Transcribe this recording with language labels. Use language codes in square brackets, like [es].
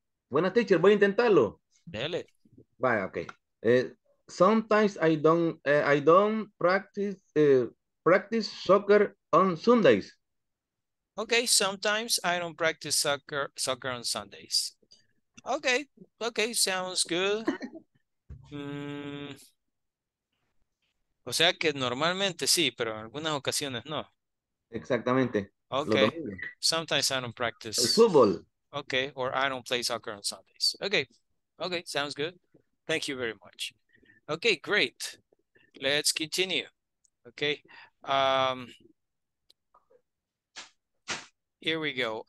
[es] Buenas, teacher. Voy a intentarlo. Dale. [en] Vaya, okay. Sometimes I don't practice soccer on Sundays. Okay, sometimes I don't practice soccer on Sundays. Okay. Okay, sounds good. [es] O sea que normalmente sí, pero en algunas ocasiones no. Exactamente. [en] Okay. Sometimes I don't practice. [es] El fútbol. [en] Okay, or I don't play soccer on Sundays. Okay. Okay, sounds good. Thank you very much. Okay, great. Let's continue. Okay. Here we go.